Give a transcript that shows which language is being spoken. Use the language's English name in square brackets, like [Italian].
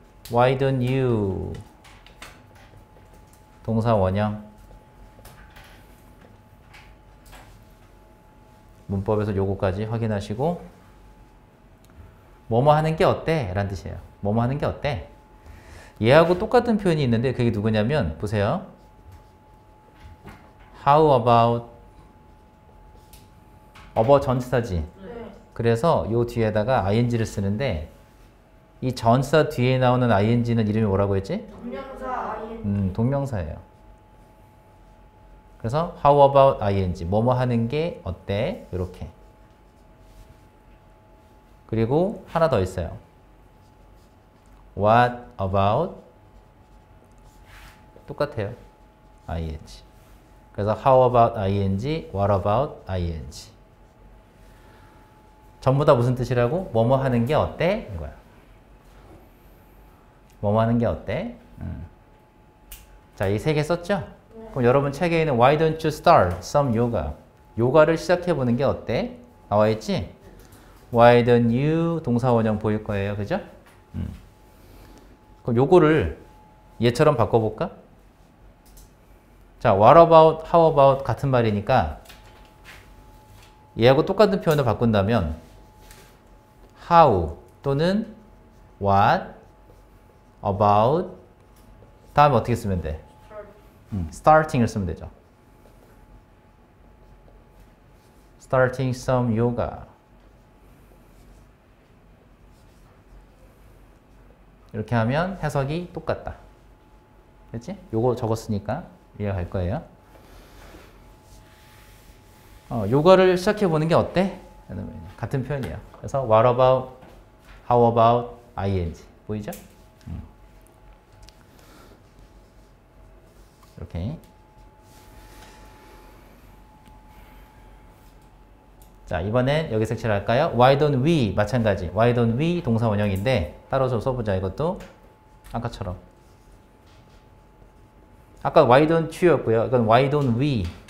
[English] why don't you [Korean] 동사 원형 문법에서 요거까지 확인하시고 뭐뭐 하는 게 어때? 라는 뜻이에요. 뭐뭐 하는 게 어때? 얘하고 똑같은 표현이 있는데 그게 누구냐면 보세요. [English] How about [Korean] 전치사지. 그래서 요 뒤에다가 ing를 쓰는데 이 전치사 뒤에 나오는 ing는 이름이 뭐라고 했지? 동명사 ing. 동명사예요. 그래서 [English] How about ing. [Korean] 뭐뭐 하는 게 어때? 이렇게. 그리고 하나 더 있어요. [English] What about? [Korean] 똑같아요. ing. [English] 그래서 how about ing? What about ing? [Korean] 전부 다 무슨 뜻이라고? 뭐뭐 하는 게 어때? 이거야. 뭐뭐 하는 게 어때? 자, 이 세 개 썼죠? 그럼 여러분 책에 있는 [English] Why don't you start some yoga? [Korean] 요가를 시작해보는 게 어때? 나와있지? [English] Why don't you [Korean] 동사 원형 보일 거예요. 그죠? 그럼 요거를 얘처럼 바꿔볼까? 자, [English] what about, how about [Korean] 같은 말이니까 얘하고 똑같은 표현을 바꾼다면 how 또는 what about 다음에 어떻게 쓰면 돼? starting을 쓰면 되죠. [English] starting some yoga. [Korean] 이렇게 하면 해석이 똑같다. 그렇지? 요거 적었으니까 이해할 거예요. 요거를 시작해 보는 게 어때? 같은 표현이에요. 그래서 [English] what about, how about, ing. [Korean] 보이죠? 이렇게. 자, 이번엔 여기 색칠할까요? [English] Why don't we? [Korean] 마찬가지. [English] Why don't we? [Korean] 동사 원형인데 따로 써보자, 이것도. 아까처럼. 아까 [English] why don't you [Korean] 였고요. 이건 [English] why don't we.